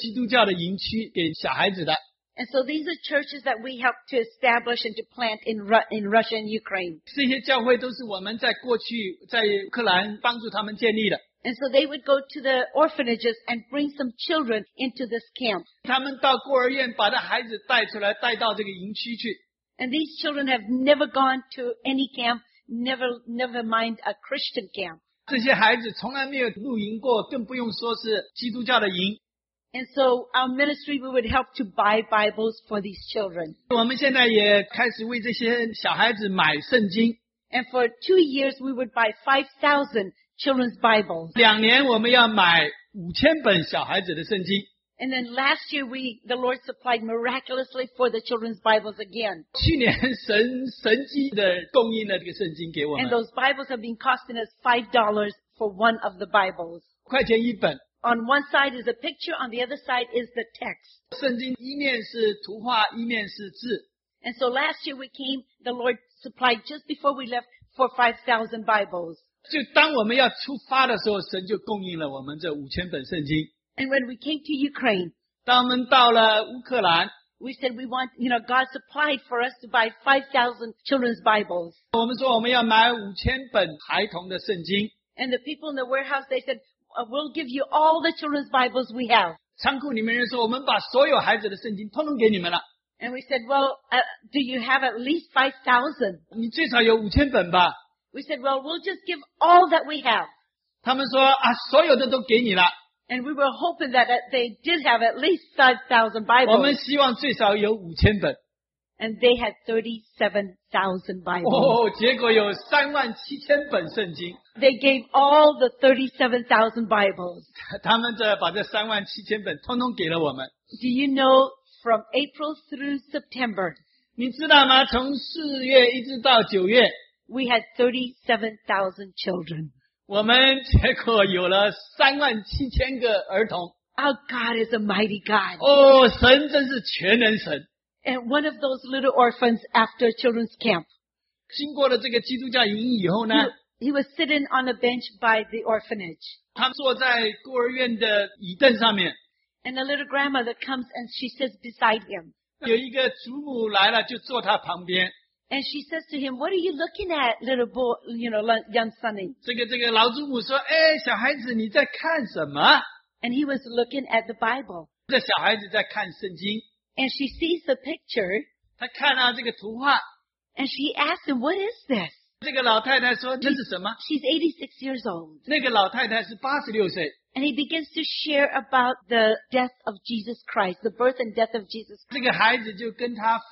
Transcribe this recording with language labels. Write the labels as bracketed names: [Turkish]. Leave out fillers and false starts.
[Chinese] 8月9月有好几百个基督教的营区给小孩子的。 [English] And so these are churches that we helped to establish and to plant in Russia and Ukraine. [Chinese] 这些教会都是我们在过去在乌克兰帮助他们建立的。 [English] And so they would go to the orphanages and bring some children into this camp. [Chinese] 他们到孤儿院把的孩子带出来带到这个营区去。 [English] And these children have never gone to any camp, never mind a Christian camp. [Chinese] 这些孩子从来没有露营过，更不用说是基督教的营。 [English] And so our ministry, we would help to buy Bibles for these children. [Chinese] 我们现在也开始为这些小孩子买圣经。 [English] And for 2 years, we would buy 5,000 children's Bibles. [Chinese] 2年我们要买5,000本小孩子的圣经。 [English] And then last year, the Lord supplied miraculously for the children's Bibles again. [Chinese] 去年神迹的供应了这个圣经给我们。 [English] And those Bibles have been costing us $5 for one of the Bibles. [Chinese] 1块钱一本。 [English] on one side is a picture, on the other side is the text. [Chinese] 圣经一面是图画, [English] and so last year we came, the Lord supplied just before we left for 5,000 Bibles. [Chinese] 就当我们要出发的时候, [English] and when we came to Ukraine, [Chinese] 当我们到了乌克兰, [English] we said we want, you know, God supplied for us to buy 5,000 children's Bibles. [Chinese] 我们说我们要买5,000本孩童的圣经, [English] and the people in the warehouse, they said, we'll give you all the children's Bibles we have. [Chinese] 仓库里面人说,我们把所有孩子的圣经通通给你们了。 [English] And we said, well, do you have at least 5,000? [Chinese] 你最少有5,000本吧。 [English] We said, well, we'll just give all that we have. [Chinese] 他们说,所有的都给你了。 [English] And we were hoping that they did have at least 5,000 Bibles. [Chinese] 我们希望最少有5,000本。 [English] And they had 37,000 Bibles. [Chinese] 结果有37,000本圣经。 [English] They gave all the 37,000 Bibles. [Chinese] 他们把这37,000本通通给了我们。 [English] Do you know from April through September? [Chinese] 你知道吗?从4月一直到9月, [English] we had 37,000 children. [Chinese] 我们结果有了37,000个儿童。 [English] Our God is a mighty God. [Chinese] 神真是全能神。 [English] And one of those little orphans after children's camp. [Chinese] 经过了这个基督教营以后呢, [English] he was sitting on a bench by the orphanage. [Chinese] 他坐在孤儿院的椅凳上面。 [English] And a little grandmother comes and she sits beside him. [Chinese] 有一个祖母来了就坐他旁边。 [English] And she says to him, what are you looking at, little boy, you know, young sonny? [Chinese] 这个老祖母说, 哎,小孩子你在看什么? [English] And he was looking at the Bible. [Chinese] 这小孩子在看圣经。 [English] And she sees the picture. [Chinese] 她看到这个图画, [English] and she asks him, what is this? [Chinese] 这个老太太说, 这是什么? [English] She's 86 years old. [Chinese] 那个老太太是86岁。 [English] And he begins to share about the death of Jesus Christ, the birth and death of Jesus Christ.